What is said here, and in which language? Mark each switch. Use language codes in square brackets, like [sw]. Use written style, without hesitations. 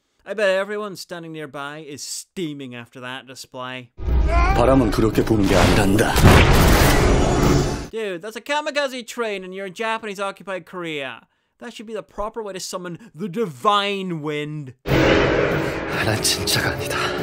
[en] I bet everyone standing nearby is steaming after that display. [ko] 바람은 그렇게 부는 게 아니란다. [en] Dude, that's a kamikaze train and you're in Japanese occupied Korea. That should be the proper way to summon the divine wind. [ko] 난 진짜가 아니다.